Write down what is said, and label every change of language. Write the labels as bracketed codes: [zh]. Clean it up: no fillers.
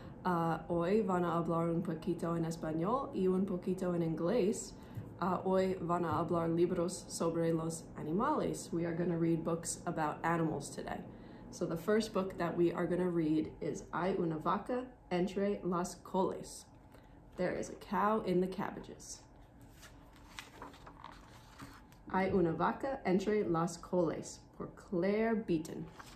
[es] Hoy van a hablar un poquito en español y un poquito en inglés. Hoy van a hablar libros sobre los animales. [en] We are going to read books about animals today. So the first book that we are going to read is Hay una vaca entre las coles. There is a cow in the cabbages. [es] Hay una vaca entre las coles, por Claire Beaton.